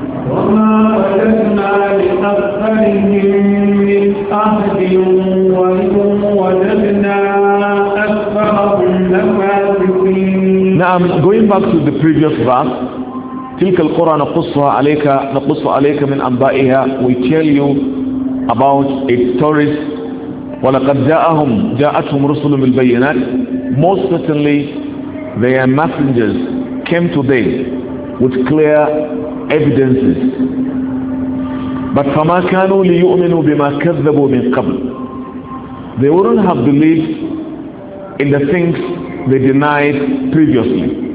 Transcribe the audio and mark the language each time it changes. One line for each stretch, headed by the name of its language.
Arabic: وما وجدنا لأكثرهم من أهل وإن وجدنا أكثرهم لفاسقين. نعم.
English: Going back to the previous verse,
Arabic: تلك القرى نقصها عليك من أنبائها.
English: We tell you about its stories.
Arabic: ولقد جاءتهم رسل من البينات.
English: Most certainly their messengers came to them with clear evidences. But
Arabic: فَمَا كَانُوا لِيُؤْمِنُوا بِمَا كَذَّبُوا مِنْ قَبْلِ.
English: They wouldn't have believed in the things they denied previously.